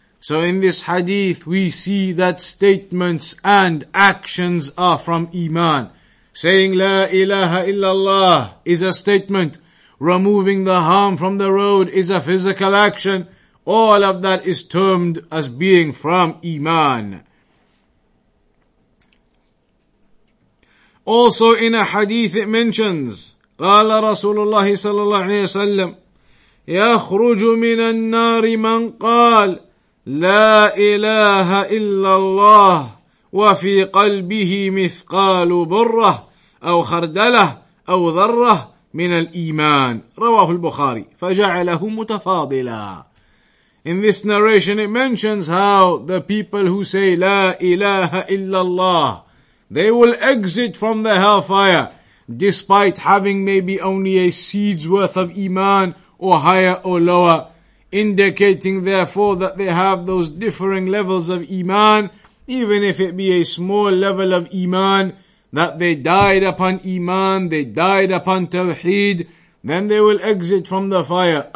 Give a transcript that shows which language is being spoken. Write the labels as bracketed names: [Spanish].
[English] So in this hadith, we see that statements and actions are from iman. Saying La ilaha illallah is a statement. Removing the harm from the road is a physical action. All of that is termed as being from iman. Also in a hadith it mentions, [Arabic] قال رسول الله صلى الله عليه وسلم يخرج من النار من قال لا إله إلا الله وفي قلبه مثقال برة أو خردلة أو ذرة من الإيمان. رواه البخاري. فجعله متفاضلا. [English] In this narration it mentions how the people who say [Arabic] لا إله إلا الله, [English] they will exit from the hellfire despite having maybe only a seed's worth of iman, or higher or lower, indicating therefore that they have those differing levels of iman, even if it be a small level of iman, that they died upon iman, they died upon tawheed, then they will exit from the fire.